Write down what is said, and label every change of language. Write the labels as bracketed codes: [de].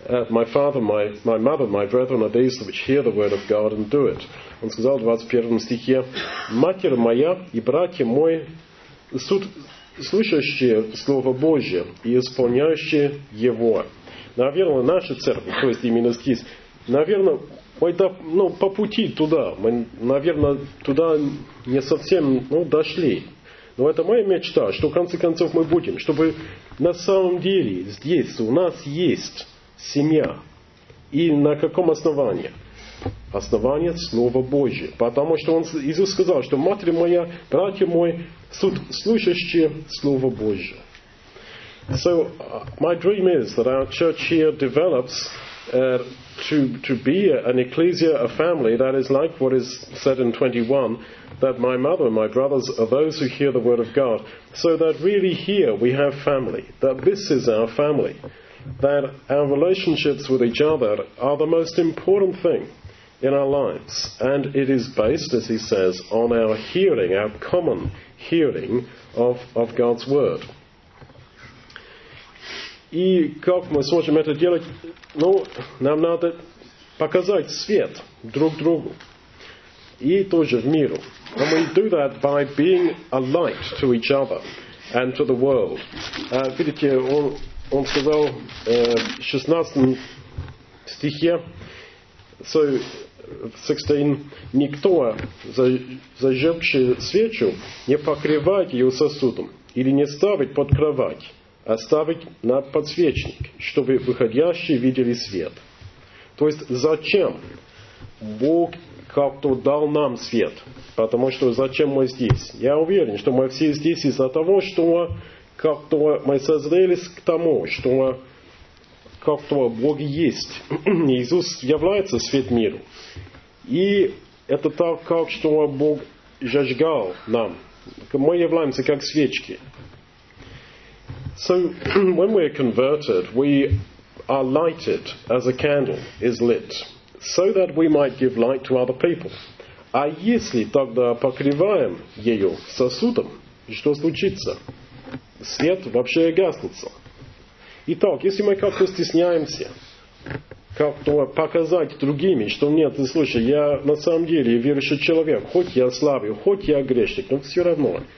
[en] My father, my mother, my brethren are these which hear the word of God and do it. [ru] Он сказал в 21 стихе: Матерь моя и братья мои слушающие Слово Божие и исполняющие Его. Наверное, наша церковь, то есть именно здесь, наверное, ну, по пути туда. Мы, наверное, туда не совсем, ну, дошли. Но это моя мечта, что в конце концов мы будем. Чтобы на самом деле здесь у нас есть семья. И на каком основании? Основание Слова Божие. Потому что он, Иисус сказал, что «Матерь моя, братья мои, слушающие Слово Божие». [en] So, my dream is that our church here develops to be an ecclesia, a family, that is like what is said in 21, that my mother and my brothers are those who hear the word of God. So that really here we have family, that this is our family, that our relationships with each other are the most important thing in our lives. And it is based, as he says, on our hearing, our common hearing of God's word. [ru] И как мы сможем это делать? Ну, нам надо показать свет друг другу. И тоже в миру. [en] And we do that by being a light to each other and to the world. [ru] Видите, он сказал в 16 стихе, so, 16, никто, зажегший свечу, не покрывает ее сосудом или не ставит под кровать. Оставить на подсвечник, чтобы выходящие видели свет. То есть зачем Бог как-то дал нам свет? Потому что зачем мы здесь? Я уверен, что мы все здесь из-за того, что как-то мы созрелись к тому, что как-то Бог есть. Иисус является свет миру. И это так, как что Бог зажигал нам. Мы являемся как свечки. [en] So, when we are converted, we are lighted as a candle is lit, so that we might give light to other people. [ru] А если тогда покрываем ее сосудом, что случится? Свет вообще гаснется. Итак, если мы как-то стесняемся, как-то показать другими, что нет, ты слушай, я на самом деле верующий человек, хоть я славлю, хоть я грешник, но все равно...